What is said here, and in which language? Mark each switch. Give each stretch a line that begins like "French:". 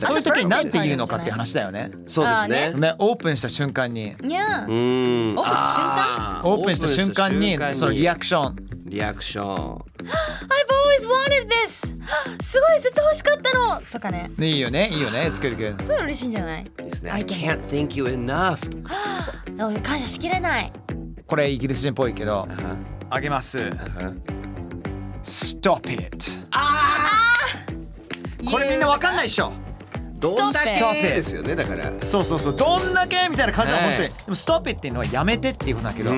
Japanese: そういう時に何て言うのかっていう話だよね、そうです ね、オープンした瞬間に、いやー、うーん、オープンした瞬間にそのリアクション、リアクション、
English: I've always wanted this!
Japanese: すごい、ずっと欲しかったのとかね、いいよね、いいよね、
English: It's good, good.
Japanese: すごい嬉しいんじゃない、
English: ね、I can't thank you enough!
Japanese: 感謝しきれない、これイギリス人っぽいけど、uh-huh. あげます、uh-huh.
English: Stop it!
Japanese: あ、これみんなわかんないでしょ、どんだけですよね、だからそうそうそう、どんだけみたいな感じは本当に、はい、でも
English: stop it
Japanese: っていうのはやめてっていうことだけど、